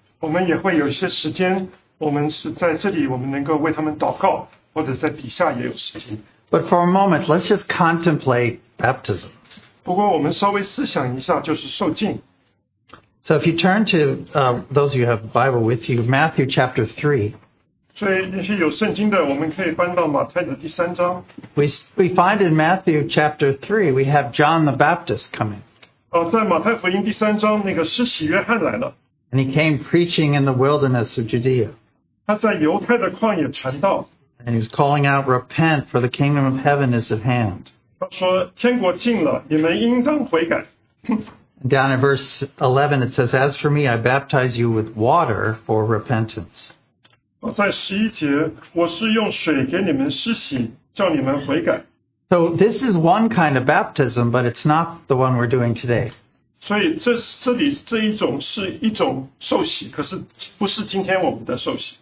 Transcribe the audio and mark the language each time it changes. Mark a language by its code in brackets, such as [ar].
[en] But for a moment, let's just contemplate baptism. So if you turn to those of you who have the Bible with you, Matthew chapter 3. [zh] 所以那些有圣经的，我们可以翻到马太的第三章。 [en] We find in Matthew chapter 3, we have John the Baptist coming. [zh] 在马太福音第三章，那个施洗约翰来了。 [en] And he came preaching in the wilderness of Judea. [zh] 他在犹太的旷野传道。 [en] And he was calling out, repent, for the kingdom of heaven is at hand. [zh] 他说，天国近了，你们应当悔改。 [en] Down in verse 11, it says, as for me, I baptize you with water for repentance. [zh] 在11节,我是用水给你们施洗,叫你们悔改。 [en] So this is one kind of baptism, but it's not the one we're doing today. [zh] 所以这里这一种是一种受洗,可是不是今天我们的受洗。